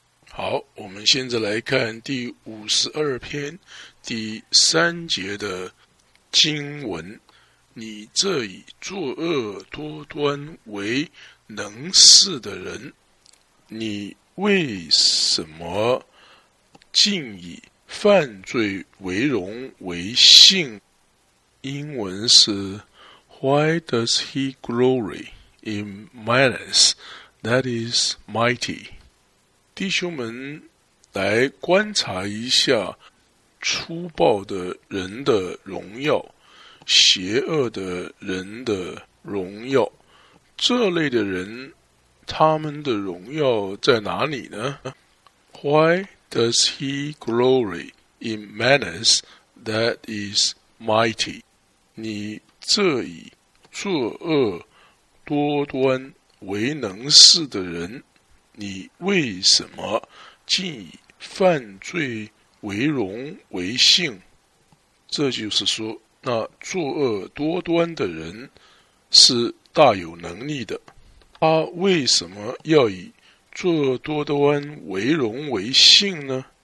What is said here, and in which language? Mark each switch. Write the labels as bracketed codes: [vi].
[zh] 好，我们现在来看第52篇第3节的经文，你这以作恶多端为能事的人，你为什么竟以犯罪为荣为幸？英文是 [en] Why does he glory in malice that is mighty? [zh] 弟兄们，来观察一下粗暴的人的荣耀，邪恶的人的荣耀，这类的人他们的荣耀在哪里呢？ [en] Why does he glory in malice that is mighty? [zh] 你这以作恶多端为能事的人，你为什么竟以犯罪为荣为幸？这就是说那作恶多端的人是大有能力的，他为什么要以作恶多端为荣为幸呢？